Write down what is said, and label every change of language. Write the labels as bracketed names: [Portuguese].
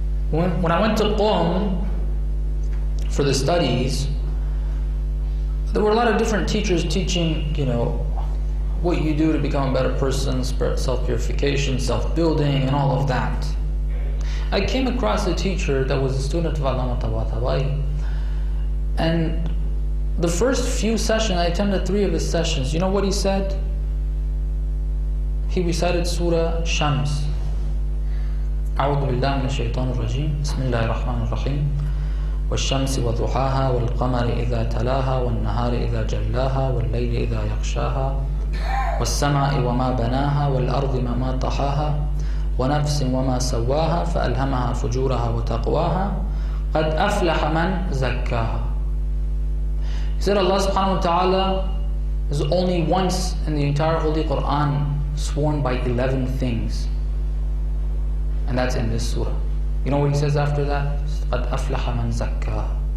[English] When I went to Qum for the studies, there were a lot of different teachers teaching, you know, what you do to become a better person, self-purification, self-building, and all of that. I came across a teacher that was a student of Allama Tabatabai, and the first few sessions, I attended three of his sessions, you know what he said? He recited Surah Shams. [Arabic] أعوذ بالله من الشيطان الرجيم بسم الله الرحمن الرحيم والشمس وضحاها والقمر إذا تلاها والنهار إذا جلاها والليل إذا يغشاها والسماء وما بناها والأرض ما طحاها ونفس وما سواها فألهمها فجورها وتقواها قد أفلح من زكاها. [English] He said Allah subhanahu wa ta'ala is only once in the entire Holy Quran sworn by 11 things. And that's in this surah. You know what he says after that? [Arabic] قَدْ أَفْلَحَ مَنْ زَكَّاهَ.